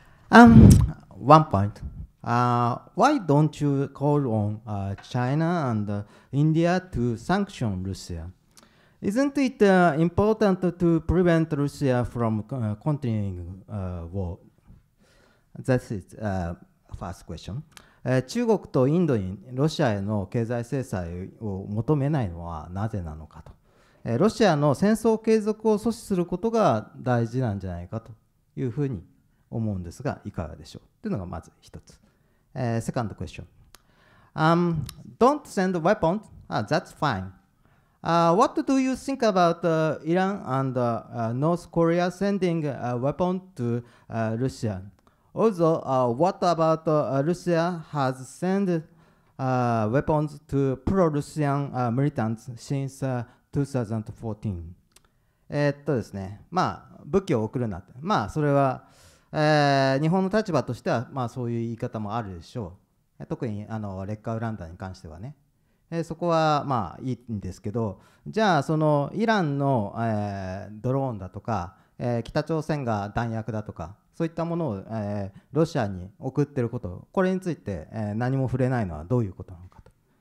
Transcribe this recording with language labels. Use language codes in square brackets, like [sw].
[en] 1 point. Why don't you call on China and India to sanction Russia? Isn't it important to prevent Russia from continuing war? That's it, first question. [ja] 中国とインドにロシアへの経済制裁を求めないのはなぜなのかと、ロシアの戦争継続を阻止することが大事なんじゃないかというふうに思うんですが、いかがでしょうというのがまず一つ。 [en] Second question. Don't send weapons. That's fine. What do you think about Iran and North Korea sending weapons to Russia? Also, what about Russia has sent weapons to pro-Russian militants since 2014? [ja] ですね、まあ、武器を送るなって、まあ、それは、日本の立場としては、まあ、そういう言い方もあるでしょう。特にあの劣化ウラン弾に関してはね。そこはまあいいんですけど、じゃあそのイランの、ドローンだとか、北朝鮮が弾薬だとか、そういったものを、ロシアに送っていること、これについて、何も触れないのはどういうことなのかと。